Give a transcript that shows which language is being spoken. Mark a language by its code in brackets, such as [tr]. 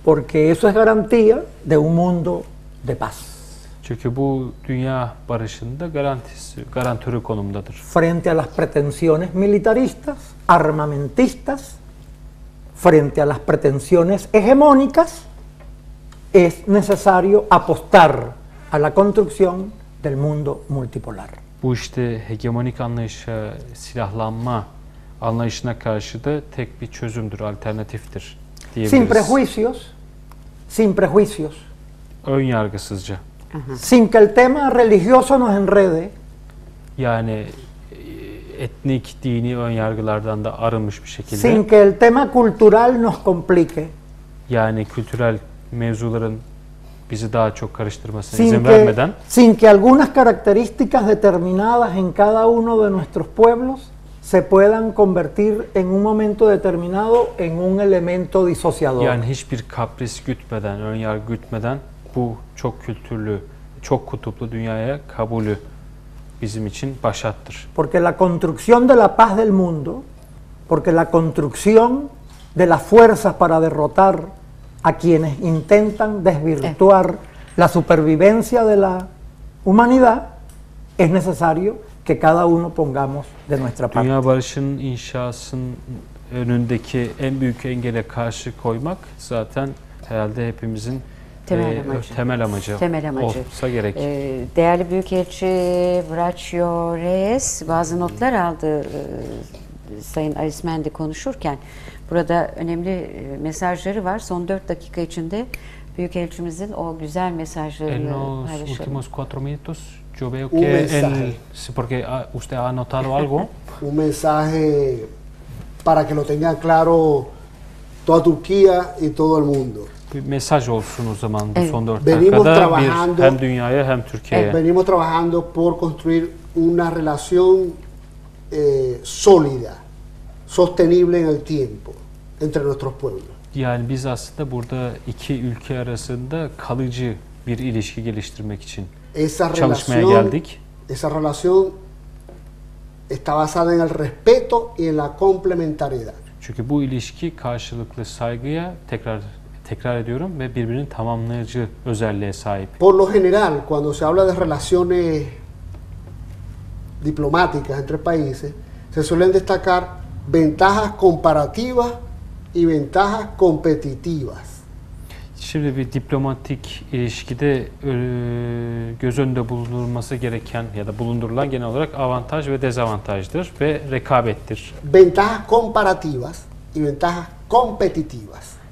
[es] Porque eso es garantía de un mundo de paz. [tr] Çünkü bu dünya barışında garantisi, garantörü konumdadır. [es] Frente a las pretensiones militaristas, armamentistas, frente a las pretensiones hegemónicas, es necesario apostar a la construcción del mundo multipolar. [tr] Bu işte hegemonik anlayışa silahlanma anlayışına karşı da tek bir çözümdür, alternatiftir diyebiliriz. [es] Sin prejuicios, sin prejuicios. [tr] Ön yargısızca. [es] Sin que el tema religioso nos enrede. [tr] Yani etnik, dini ön yargılardan da arınmış bir şekilde. [es] Sin que el tema cultural nos complique. [tr] Yani kültürel mevzuların bizi daha çok karıştırmasına sin izin vermeden. [es] Sin que algunas características determinadas en cada uno de nuestros pueblos se puedan convertir en un momento determinado en un elemento disociador. [tr] Yani hiçbir kapris gütmeden, ön yargı gütmeden bu çok kültürlü, çok kutuplu dünyaya kabulü bizim için başattır. [es] Porque la construcción de la paz del mundo, porque la construcción de las fuerzas para derrotar a quienes intentan desvirtuar la supervivencia de la humanidad, es necesario que cada uno pongamos de nuestra parte. [tr] Dünya barışının inşasının önündeki en büyük engele karşı koymak zaten herhalde hepimizin temel amacı olsa gerek. Değerli Büyükelçi Braccio Reyes bazı notlar aldı Sayın Arismendi konuşurken. Burada önemli mesajları var. Son 4 dakika içinde Büyükelçimizin o güzel mesajları en paylaşalım. [es] En los últimos 4 minutos yo veo que porque usted ha notado algo. Un mensaje para que lo tenga claro toda Turquía y todo el mundo. [tr] Bir mesaj olsun o zaman bu son 4 dakikada bir hem dünyaya hem Türkiye'ye. [es] Venimos trabajando por construir una relación sólida, sostenible en el tiempo entre nuestros pueblos. [tr] Yani biz aslında burada iki ülke arasında kalıcı bir ilişki geliştirmek için çalışmaya geldik. [es] Esa relación está basada en el respeto y en la complementariedad. [tr] Çünkü bu ilişki karşılıklı saygıya tekrar ediyorum ve birbirinin tamamlayıcı özelliğe sahip. [es] Por lo general, cuando se habla de relaciones diplomáticas entre países, se suelen destacar ventajas comparativas y ventajas competitivas. [tr] Şimdi bir diplomatik ilişkide göz önünde bulundurulması gereken ya da bulundurulan genel olarak avantaj ve dezavantajdır ve rekabettir. [es] Ventajas comparativas y ventajas competitivas.